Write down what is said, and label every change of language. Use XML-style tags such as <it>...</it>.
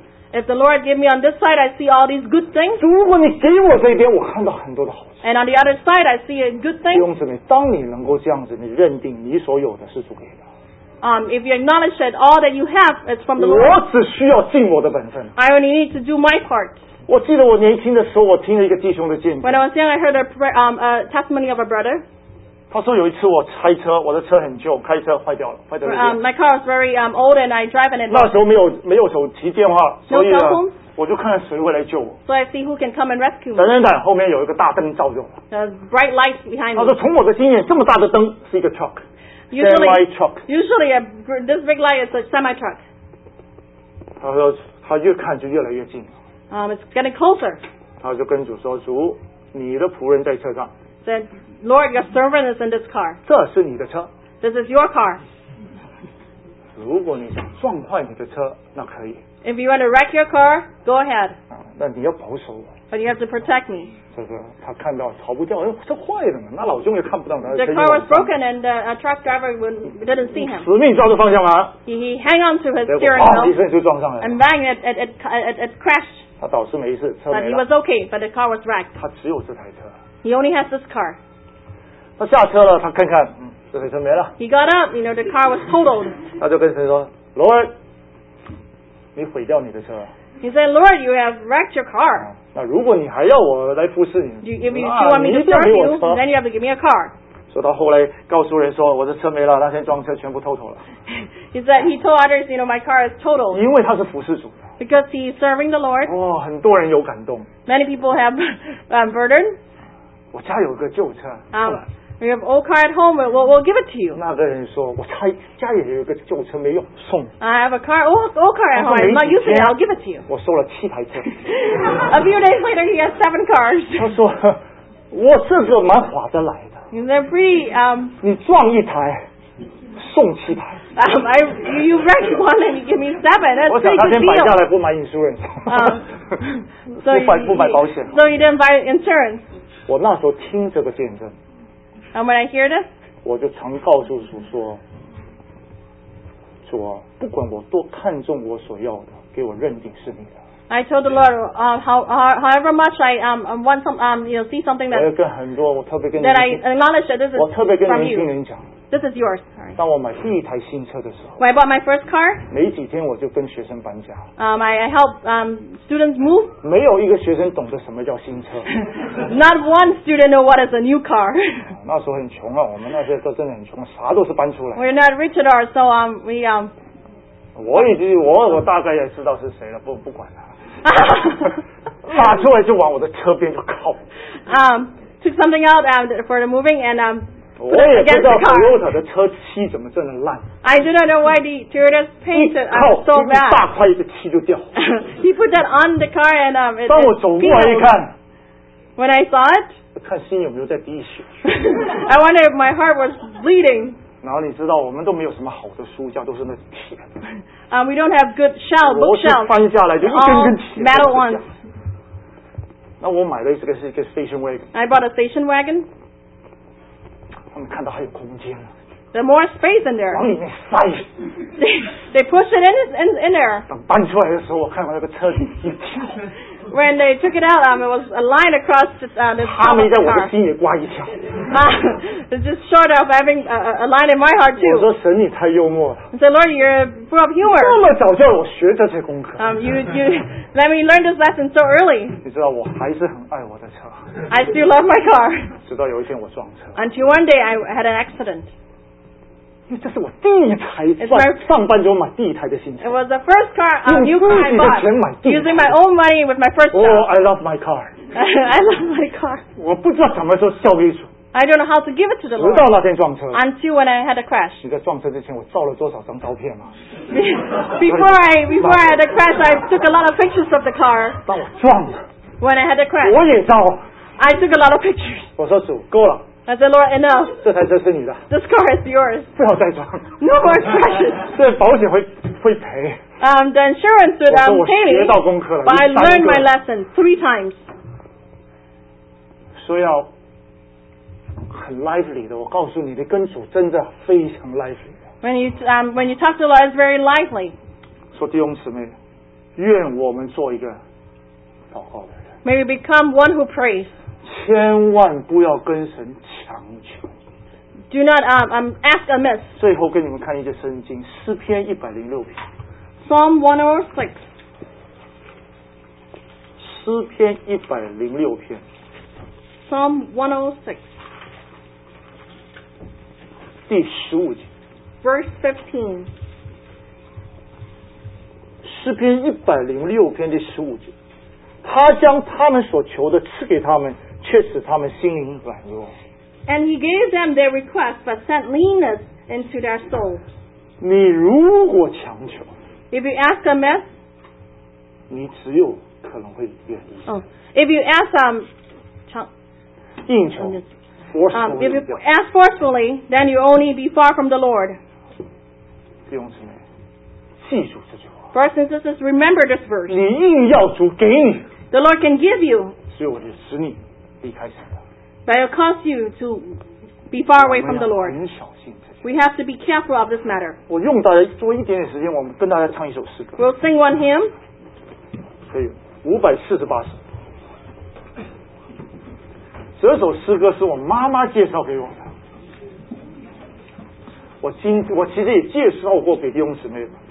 <en>if the Lord gave me on this side, I see all these good things.</en> <zh>主如果你给我这边,</zh> <en>and on the other side, I see a good thing.</en> <zh>弟兄姊妹, 当你能够这样子, 你认定你所有的是主给的,</zh> <en>if you acknowledge that all that you have is from the Lord, I only need to do my part.</en> <zh>我记得我年轻的时候，我听了一个弟兄的见证。</zh> <en>When I was young, I heard a testimony of a brother.</en> <zh>他说有一次我开车，我的车很旧，开车坏掉了，坏掉了。</zh> <en>My car is very old and I drive in it.</en> <zh>那时候没有手提电话，所以呢。</zh> <en>No cell phone?</en> <zh>我就看看谁会来救我。</zh> <en>So I see who can come and rescue me.</en> <zh>等等等，后面有一个大灯照着我。</zh> <en>The bright light behind me.</en> <zh>他说从我的经验，这么大的灯是一个 truck.</zh> <en>Usually, truck. Usually, this big light is a semi truck.</en> <zh>他说他越看就越来越近。</zh> <en>It's getting closer.</en> <zh>他就跟主说：“主，你的仆人在车上。”</zh> <en>Said, Lord, your servant is in this car.</en> <zh>这是你的车。</zh> <en>This is your car.</en> <zh>如果你想撞坏你的车，那可以。</zh> <en>If you want to wreck your car, go ahead.</en> <zh>那你要保守我。</zh> <en>But you have to protect me.</en> <zh>这个他看到逃不掉，这坏了呢，那老兄也看不到他。</zh> <en>The car was broken and the truck driver didn't see him.</en> <zh>死命抓住方向盘。</zh> <en>He hung on to his steering wheel.</en> <zh>结果一声就撞上来。</zh> <en>And bang, it crashed.</en> <zh>他倒是没事，车没了。</zh> <en>But he was okay, but the car was wrecked.</en> <zh>他只有这台车。</zh> <en>He only has this car.</en> <zh>他下车了，他看看，这台车没了。</zh> <en>He got up, you know, the car was totaled.</en> <zh>他就跟神说 ，Lord。你毁掉你的车。</zh> <en>He said, Lord, you have wrecked your car.</en> <zh>那如果你还要我来服侍你，那你一定要给我车。</zh> <en>Then you have to give me a car.</en> <zh>说到后来，告诉人说我的车没了，那天装车全部偷走了。</zh> <en>He said he told others, you know, my car is totaled.</en> <zh>因为他是服侍主。</zh> <en>Because he is serving the Lord.</en> <zh>哇，很多人有感动。</zh> <en>Many people have burden.</en> <zh>我家有个旧车。</zh> <en>We have old car at home. We'll give it to you.</en> <zh>那个人说，我家里有个旧车没用，送。</zh> <en>I have a car, old car at home. I'm not using it. I'll give it to you.</en> <zh>我收了七台车。</zh> <en>A few days later, he has seven cars.</en> <zh>他说，我这个蛮划得来的。</zh> <en>They're pretty.</en> <zh>你撞一台，送七台。</zh> <en>You wreck one and you give me seven. That's a good deal.</en> <zh>我想他先买下来不买 insurance. 不买保险。</zh> <en>So he didn't buy insurance.</en> <zh>我那时候听这个见证。</zh> <en>And when I hear this,</en> <zh>我就常告诉主说，主啊，不管我多看重我所要的，给我认定是你的。</zh> <en>I told the Lord, however much I want some, you know, see something that.</en> <zh>我要跟很多，我特别跟。</zh> <en>That I acknowledge that this is from you.</en> <zh>我特别跟年轻人讲。</zh> <en>This is yours.</en> <zh>当我买第一台新车的时候。</zh> <en>When I bought my first car.</en> <zh>没几天我就跟学生搬家。</zh> <en>I help students move.</en> <zh>没有一个学生懂得什么叫新车。</zh> <en>Not one student know what is a new car.</en> <zh>那时候很穷啊，我们那些都真的很穷，啥都是搬出来。</zh> <en>We're not rich at all, so we</en> <zh>我已经我大概也知道是谁了，不管了。拉出来就往我的车边就靠。</zh> <en>Took something out for the moving and put it against the car.</en> <zh>我也不知道 Toyota 的车漆怎么这么烂。</zh> <en>I do not know why the Toyota's paint is so bad.</en> <zh>大块一个漆就掉。</zh> <en>He put that on the car and it.</en> <zh>当我走过来一看</zh> <en>，When I saw it，</en> <zh>看心有没有在滴血。</zh> <en>I wonder if my heart was bleeding.</en> <zh>然后你知道，我们都没有什么好的书架，都是那铁的。</zh> <en>We don't have good shelf, bookshelf.</en> <zh>翻下来就一根根铁。</zh> <en>Metal ones.</en> <zh>那我买的是一个 station wagon.</zh> <en>I bought a station wagon.</en> <zh>他们看到还有空间了。</zh> <en>There's more space in there.</en> <zh>往里面塞。</zh> <en>They push it in there.</en> <zh>等搬出来的时候，我看到那个车里一条。</zh> <en>When they took it out, it was a line across the car.</en> <zh>他没在我的心里刮一条。</zh> <en>It's just short of having a line in my heart too.</en> <zh>我说神，你太幽默了。</zh> <en>I said, Lord, you're full of humor.</en> <zh>这么早叫我学这些功课。</zh> <en>You let me learn this lesson so early.</en> <zh>你知道我还是很爱我的车。</zh> <en>I still love my car.</en> <zh>直到有一天我撞车。</zh> <en>Until one day I had an accident.</en> <zh>这是我第一台上班就买第一台的新车。</zh> <en>It was the first car a new car I bought.</en> <zh>用自己的钱买第一台。</zh> <en>Using my own money with my first car. Oh, I love my car. I love my car.</en> <zh>我不知道什么时候孝给主。</zh> <en>I don't know how to give it to the Lord.</en> <zh>直到那天撞车。</zh> <en>Until when I had a crash.</en> <zh>你在撞车之前，我照了多少张照片吗</zh> <en>？Before I had a crash, I took a lot of pictures of the car.</en> <zh>当我撞了。</zh> <en>When I had a crash.</en> <zh>我也照。</zh> <en>I took a lot of pictures.</en> <zh>我说主，够了。</zh> <en>I said, Lord, enough.</en> <zh>这台车是你的。</zh> <en>This car is yours.</en> <zh>不要再撞。</zh> <en>No more crashes.</en> <zh>这保险会赔。</zh> <en>The insurance would pay me.</en> <zh>我学到功课了。</zh> <en>But I learned my lesson three times.</en> <zh>说要很 lively 的，我告诉你的，跟主真的非常 lively 的。</zh> <en>When you talk to the Lord, it's very lively.</en> <zh>说弟兄姊妹，愿我们做一个祷告的人。</zh> <en>May we become one who prays.</en> <zh>千万不要跟神强求。</zh> <en>Do not ask amiss.</en> <zh>最后给你们看一节圣经，诗篇106篇。</zh> <en>Psalm 106.</en> <zh>诗诗篇一百零六篇。</zh> <en>Psalm 106.</en> <zh>第十五节。</zh> <en>Verse 15.</en> <zh>诗篇一百零六篇第十五节，他将他们所求的赐给他们，却使他们心灵软弱。</zh> <en>And he gave them their request, but sent leanness into their soul.</en> <zh>你如果强求</zh> <en>，If you ask amiss,</en> <zh>你只有可能会愿意。</zh> <en>If you ask</en> <zh>硬求 forcefully,</zh> <en>if you ask forcefully, then you only be far from the Lord.</en> <zh>弟兄姊妹，记住这句话。</zh> <en>First and sisters, remember this verse.</en> <zh>你硬要主给你</zh> <en>The Lord can give you.</en> <zh>所以我就使你离开神了</zh> <en>But it'll cause you to be far away from the Lord.</en> <zh>我们要很小心</zh> <en>We have to be careful of this matter.</en> <zh>我用大家多一点点时间，我们跟大家唱一首诗歌</zh> <en>We'll sing one hymn.</en> <zh>可以，548首。这首诗歌是我妈妈介绍给我的。我其实也介绍过给弟兄姊妹的。</zh>